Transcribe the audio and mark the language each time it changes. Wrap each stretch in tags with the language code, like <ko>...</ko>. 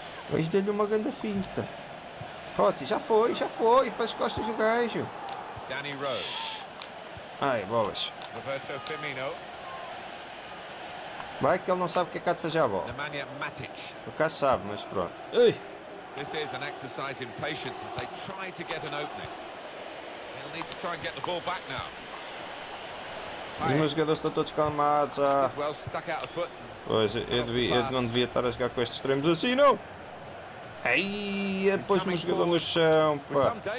<pt>Beijo-lhe uma grande finta. Rossi, já foi, para as costas do gajo. Danny Rose. Ai, bolas. Roberto Firmino. Vai que ele não sabe o que é que há de fazer a bola. Nemanja Matic. O caso sabe, mas pronto. Ui!</pt> <en>This is an exercise in patience as they try to get an opening. They'll need to try and get the ball back now.</en> <pt>Os meus jogadores estão todos calmados. Ah.</pt> <en>Well stuck out of foot.</en> <pt>Pois, eu não devia estar a jogar com estes extremos assim, não! Ei! Pôs o meu jogador no chão, pá!</pt>